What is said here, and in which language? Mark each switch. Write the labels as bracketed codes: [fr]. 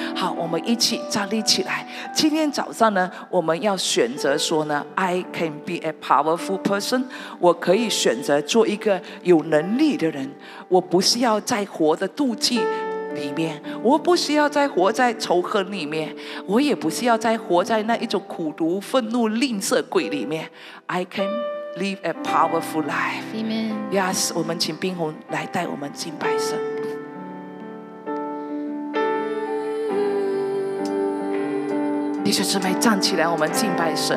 [zh] 好，我们一起站立起来。今天早上呢，我们要选择说呢， I can be a powerful person，我可以选择做一个有能力的人。我不是要再活的妒忌里面，我不需要再活在仇恨里面，我也不需要再活在那一种苦毒、愤怒、吝啬鬼里面。 [en] I can live a powerful life. Amen. [zh] Yes, 我们请冰红来带我们敬拜神。弟兄姊妹，站起来，我们敬拜神。